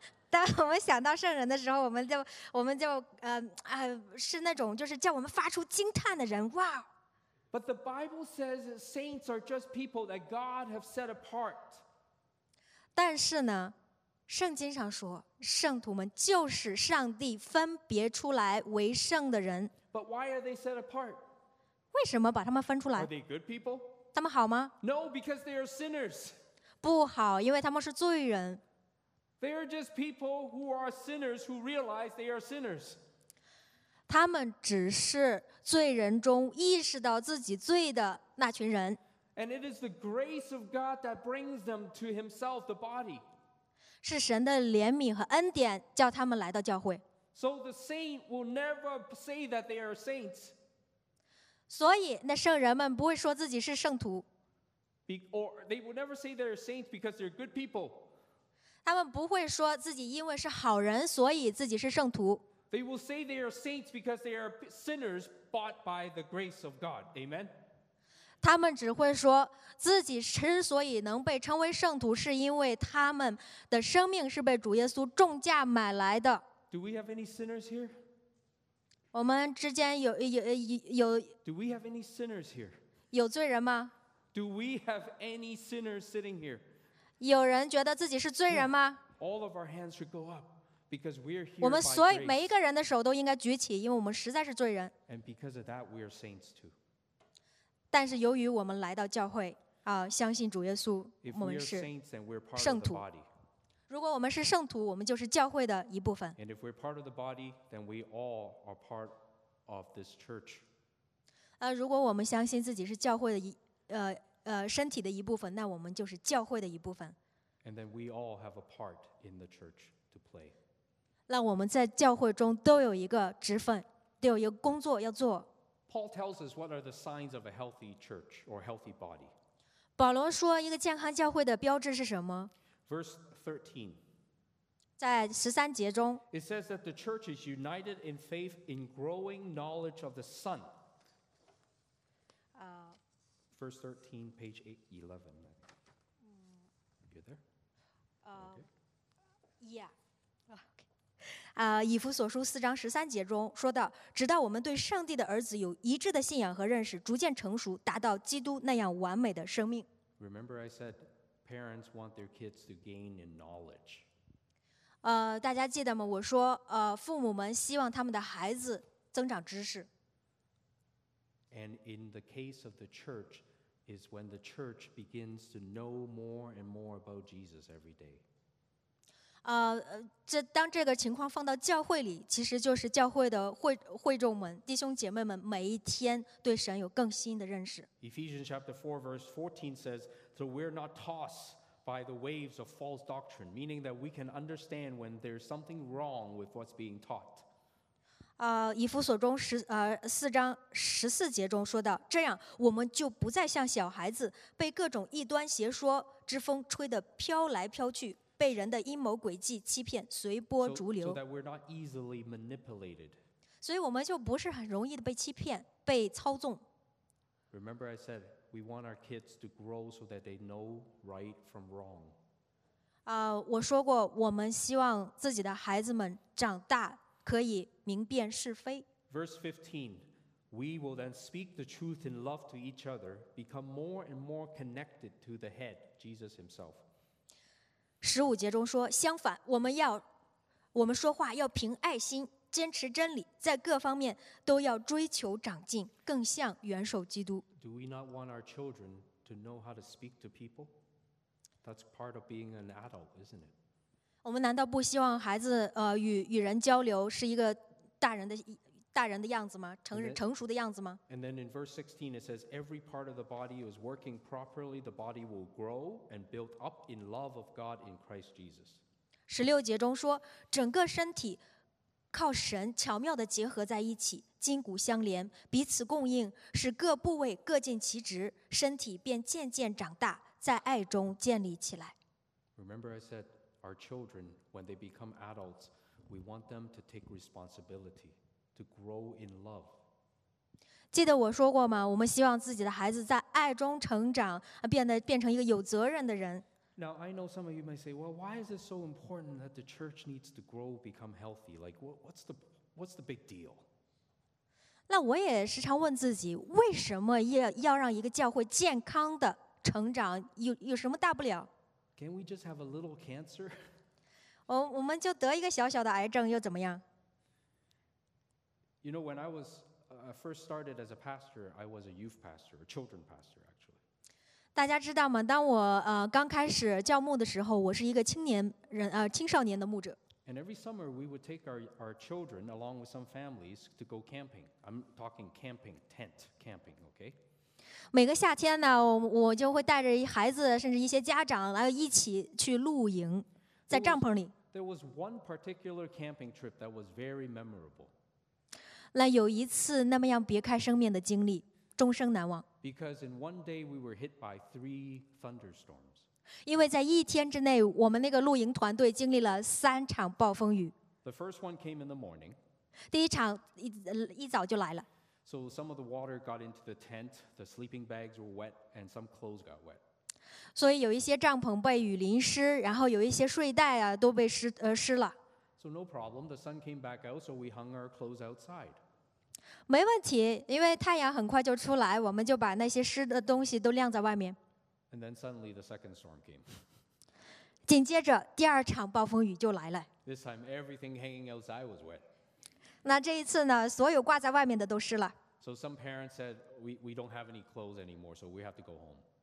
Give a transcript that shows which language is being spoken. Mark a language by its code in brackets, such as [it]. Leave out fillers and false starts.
[zh] 当我们想到圣人的时候，我们就是那种就是叫我们发出惊叹的人，哇！ [en] But the Bible says saints are just people that God have set apart. [zh] 但是呢，圣经上说，圣徒们就是上帝分别出来为圣的人。 [en] But why are they set apart? [zh] 为什么把他们分出来？ [en] Are they good people? [zh] 他们好吗？ [en] No, because they are sinners. [zh] 不好，因为他们是罪人。 [en] They are just people who are sinners who realize they are sinners. [zh] 他们只是罪人中意识到自己罪的那群人。 [en] And it is the grace of God that brings them to Himself, the body. [zh] 是神的怜悯和恩典叫他们来到教会。 [en] So the saint will never say that they are saints. [zh] 所以那圣人们不会说自己是圣徒。 [en] Or they will never say they are saints because they are good people. [zh] 他们不会说自己因为是好人所以自己是圣徒。 [en] They will say they are saints because they are sinners bought by the grace of God. Amen. [zh] 他们只会说自己之所以能被称为圣徒，是因为他们的生命是被主耶稣重价买来的。 [en] Do we have any sinners here? [zh] 我们之间有 [en] Do we have any sinners here? [zh] 有罪人吗？ [en] Do we have any sinners sitting here? [zh] 有人觉得自己是罪人吗？ [en] All of our hands should go up because we are here. [zh] 我们所有每一个人的手都应该举起，因为我们实在是罪人。 [en] And because of that, we are saints too. [zh] 但是由于我们来到教会，相信主耶稣，我们是圣徒。如果我们是圣徒，我们就是教会的一部分。 [en] And if we're part of the body, then we all are part of this church. [zh] 如果我们相信自己是教会的身体的一部分，那我们就是教会的一部分。 [en] And then we all have a part in the church to play. [zh] 让我们在教会中都有一个职分，都有一个工作要做。 [en] Paul tells us what are the signs of a healthy church or healthy body. [zh] 保罗说一个健康教会的标志是什么？ [en] Verse 13. [zh] 在十三节中。 [en] It says that the church is united in faith in growing knowledge of the Son. Verse 13, page 11. You there? Yeah. [zh] 以弗所书四章十三节中说到，直到我们对上帝的儿子有一致的信仰和认识，逐渐成熟，达到基督那样完美的生命。 [en] Remember, I said parents want their kids to gain in knowledge. [zh] 大家记得吗？我说，父母们希望他们的孩子增长知识。 [en] And in the case of the church. Is when the church begins to know more and more about Jesus every day. [zh] 这当这个情况放到教会里，其实就是教会的会众们、弟兄姐妹们每一天对神有更新的认识。 [en] Ephesians chapter 4 verse 14 says, "So we're not tossed by the waves of false doctrine," meaning that we can understand when there's something wrong with what's being taught. [zh] 以弗所中四章十四节中说到，这样我们就不再像小孩子被各种异端邪说之风吹得飘来飘去，被人的阴谋诡计欺骗，随波逐流。 [en] So that we're not easily manipulated. [zh] 所以我们就不是很容易的被欺骗，被操纵。 [en] Remember, I said we want our kids to grow so that they know right from wrong. [zh] 我说过，我们希望自己的孩子们长大。可以明辨是非。 [en] Verse 15, we will then speak the truth in love to each other, become more and more connected to the head, Jesus himself. [zh] 十五节中说，相反，我们说话要凭爱心，坚持真理，在各方面都要追求长进，更像元首基督。 [en] Do we not want our children to know how to speak to people? That's part of being an adult, isn't it? [zh] 我们难道不希望孩子与人交流是一个大人的样子吗？成熟的样子吗？ [en] And then in verse 16 it says every part of the body is working properly, the body will grow and build up in love of God in Christ Jesus. [zh] 十六节中说，整个身体靠神巧妙的结合在一起，筋骨相连，彼此供应，使各部位各尽其职，身体便渐渐长大，在爱中建立起来。 [en] Remember I said. Our children, when they become adults, We want them to take responsibility, to grow in love. [zh] 记得我说过吗？我们希望自己的孩子在爱中成长，变成一个有责任的人。 [en] Now I know some of you may say, "Well, why is it so important that the church needs to grow, become healthy? Like, what's the big deal?" [zh] 那我也时常问自己，为什么要让一个教会健康的成长？有什么大不了 [en] ？Can we just have a little cancer? [zh] 我们就得一个小小的癌症又怎么样 [en] ？You know, when I was first started as a pastor, I was a youth pastor, a children pastor, actually. [zh] 大家知道吗？当我刚开始教牧的时候，我是一个青少年的牧者。 [en] And every summer, we would take our children along with some families to go camping. I'm talking camping, tent camping, okay? [zh] 每个夏天呢，我就会带着孩子，甚至一些家长来一起去露营，在帐篷里。 [en] There was one particular camping trip that was very memorable. [zh] 那有一次那么样别开生面的经历，终生难忘。 [en] Because in one day, we were hit by 3 thunderstorms. [zh] 因为在一天之内，我们那个露营团队经历了三场暴风雨。 [en] The first one came in the morning. [zh] 第一场一早就来了。 [en] So some of the water got into the tent, the sleeping bags were wet, and some clothes got wet. [zh] 所以有一些帐篷被雨淋湿，然后有一些睡袋啊都被湿了。 [en] So no problem, the sun came back out, so we hung our clothes outside. [zh] 没问题，因为太阳很快就出来，我们就把那些湿的东西都晾在外面。 [en] And then suddenly the second storm came. [zh] 紧接着第二场暴风雨就来了。 [en] This time everything hanging outside was wet. [zh] 那这一次呢，所有挂在外面的都湿了。 [en] So some parents said we don't have any clothes anymore, so we have to go home.